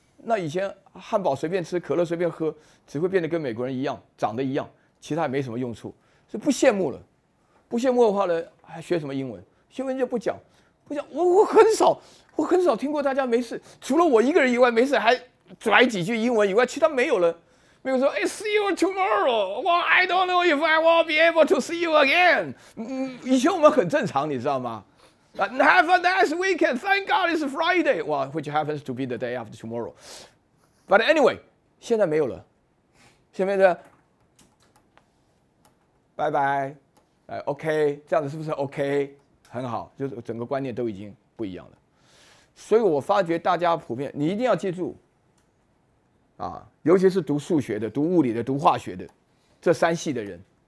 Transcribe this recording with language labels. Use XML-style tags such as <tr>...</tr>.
<zh>那以前汉堡随便吃，可乐随便喝，只会变得跟美国人一样，长得一样，其他也没什么用处，是不羡慕了。不羡慕的话呢，还学什么英文？英文就不讲，不讲。我很少听过大家没事，除了我一个人以外，没事还拽几句英文以外，其他没有了。没有说</zh> <en>，I see you tomorrow. Well, I don't know if I will be able to see you again.</en> <zh>以前我们很正常，你知道吗？</zh> <en>Have a nice weekend. Thank God it's Friday. Well, which happens to be the day after tomorrow. But anyway,</en> <zh>现在没有了。下面的，拜拜。哎 ，OK， 这样子是不是 OK？ 很好，就是整个观念都已经不一样了。所以我发觉大家普遍，你一定要记住，啊，尤其是读数学的、读物理的、读化学的这三系的人。</zh>